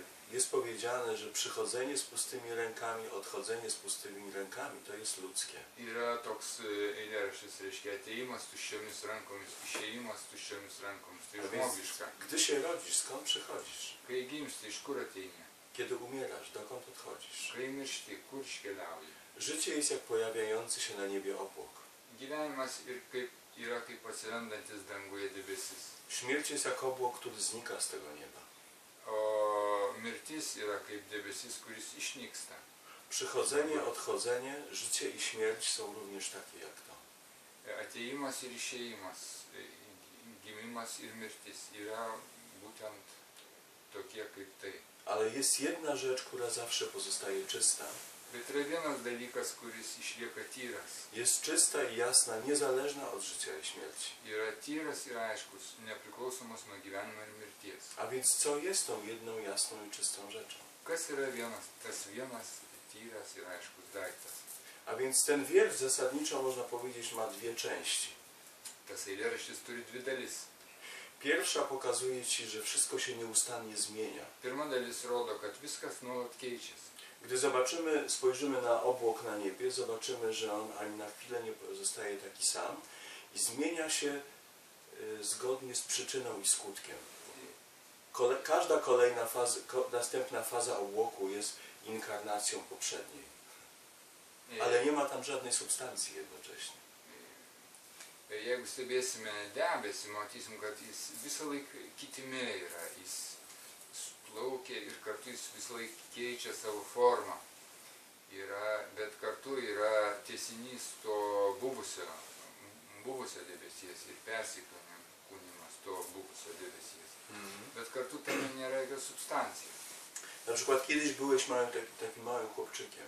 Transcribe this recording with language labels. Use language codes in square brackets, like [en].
[pl] Jest powiedziane, że przychodzenie z pustymi rękami, odchodzenie z pustymi rękami, to jest ludzkie. [lt] Yra toks eilėraštis, reiškia, atėjimas tuščiomis rankomis, išėjimas tuščiomis rankomis, [pl] to jest [lt] žmogiška. [pl] Gdy się rodzisz, skąd przychodzisz? [lt] Kai gimsti, iš kur ateini? [pl] Kiedy umierasz, dokąd odchodzisz? [lt] Kai miršti, kur iškeliauji? [pl] Życie jest jak pojawiający się na niebie obłok. [lt] Gyvenimas yra kaip atsirandantis danguje debesis. [pl] Śmierć jest jak obłok, który znika z tego nieba. [lt] O mirtis yra kaip debesis, kuris išnyksta. [pl] Przychodzenie, odchodzenie, życie i śmierć są również takie jak to. [lt] Atėjimas ir išėjimas, gimimas ir mirtis yra būtent tokie kaip tai. [pl] Ale jest jedna rzecz, która zawsze pozostaje czysta. [lt] Wytrawionas dalykas, kuris išlieka tyras. [pl] Jest czysta i jasna, niezależna od życia i śmierci. [lt] Yra tyras ir aiškus, nepriklausomas nuo gyvenimo ir mirties. [pl] A więc co jest tą jedną jasną i czystą rzeczą? [lt] Kas yra vienas, tas vienas tyras ir aiškus daiktas. [pl] A więc ten wiersz zasadniczo, można powiedzieć, ma dwie części. [lt] Tas eilėraštis turi dvi dalis. [pl] Pierwsza pokazuje ci, że wszystko się nieustannie zmienia. [lt] Pirma dalis rodo, kad viskas nuolat keičiasi. [pl] Gdy zobaczymy, spojrzymy na obłok na niebie, zobaczymy, że on ani na chwilę nie pozostaje taki sam i zmienia się zgodnie z przyczyną i skutkiem. Każda kolejna faza, następna faza obłoku jest inkarnacją poprzedniej. Ale nie ma tam żadnej substancji jednocześnie. [lt] Jeigu stebėsime debesį, matysim, kad jis visą laiką kitime yra. Jis plaukia ir kartu jis visą laiką keičia savo formą. Bet kartu yra tiesinys to buvusio debesies ir persikūnimas to buvusio debesies. Mm-hmm. Bet kartu tam nėra jokios substancijos. [pl] Na przykład kiedyś byłeś takim małym chłopczykiem.